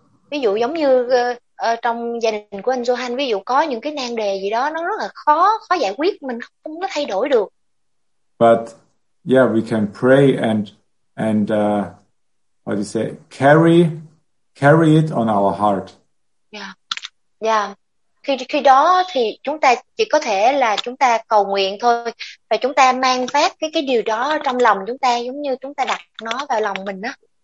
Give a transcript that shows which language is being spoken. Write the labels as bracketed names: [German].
[Vietnamese] Ví dụ giống như trong gia đình của anh Johan, ví dụ có những cái nan đề gì đó nó rất là khó giải quyết, mình không có thay đổi được. [English] But yeah, we can pray and what do you say, carry it on our heart. Yeah. [Vietnamese] Khi đó thì chúng ta chỉ có thể là chúng ta cầu nguyện thôi, và chúng ta mang phát cái điều đó trong lòng chúng ta, giống như chúng ta đặt nó vào lòng mình á.